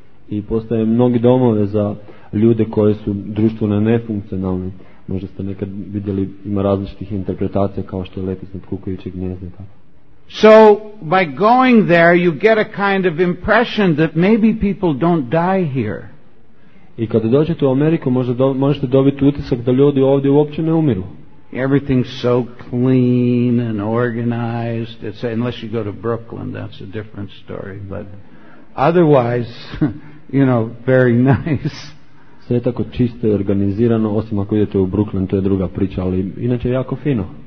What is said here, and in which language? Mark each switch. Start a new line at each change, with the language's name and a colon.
Croatian: I postoje mnogi domove za ljude koji su društveno nefunkcionalni. Možda ste nekad vidjeli, ima različitih interpretacija kao što je Letis nad kukajućeg gnjezda.
English: So, by going there, you get a kind of impression that maybe people don't die here.
Croatian: I kada dođete u Ameriku, možete dobiti utisak da ljudi ovdje uopće ne umiru.
English: Everything's so clean and organized. It's, unless you go to Brooklyn, that's a different story. But otherwise, you know, very nice.
Croatian: Sve je tako čisto i organizirano, osim ako idete u Brooklyn, to je druga priča, ali inače jako fino.